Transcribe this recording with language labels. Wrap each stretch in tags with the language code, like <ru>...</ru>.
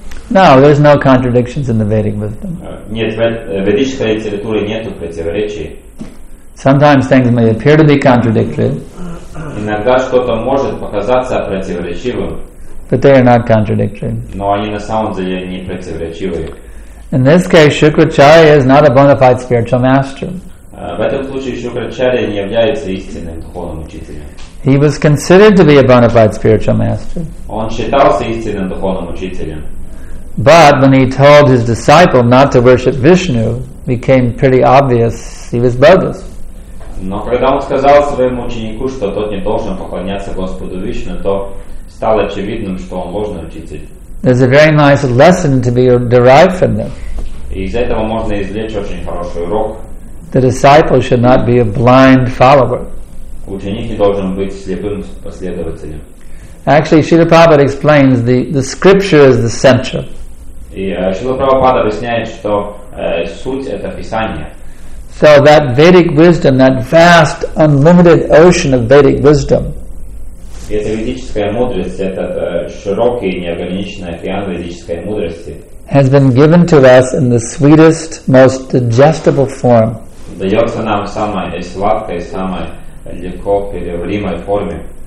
<en>No, there's no contradictions in the Vedic wisdom.</en> <ru>Нет, в ведической литературе нету противоречий.</ru> <en>Sometimes things may appear to be contradictory.</en> <ru>Иногда что-то может показаться противоречивым.</ru> <en>But they are not contradictory.</en> <ru>Но они на самом деле не противоречивые.</ru> <en>In this case, Shukracharya is not a bona fide spiritual master.</en> <ru>В этом случае Шукрачарья не является истинным духовным учителем.</ru> <en>He was considered to be a bona fide spiritual master.</en> <ru>Он считался истинным духовным учителем.</ru> <en>But when he told his disciple not to worship Vishnu, it became pretty obvious he was bogus.</en> <ru>Но когда он сказал своему ученику, что тот не должен поклоняться Господу Вишну, то стало очевидным, что он ложный учитель.</ru> <en>There's a very nice lesson to be derived from this.</en> <ru>Из этого можно извлечь очень хороший урок.</ru> <en>The disciple should not be a blind follower.</en> <ru>Ученик не должен быть слепым последователем.</ru> <en>Actually, Śrīla Prabhupāda explains the scripture is the center.</en> <ru>И Śrīla Prabhupāda объясняет, что суть это Писание.</ru> <en>So that Vedic wisdom, that vast, unlimited ocean of Vedic wisdom.</en> <ru>И эта ведическая мудрость, этот широкий, неограниченный океан ведической мудрости.</ru> <en>Has been given to us in the sweetest, most digestible form.</en> <ru>Дается нам в самой сладкой, самой легко переваримой форме.</ru>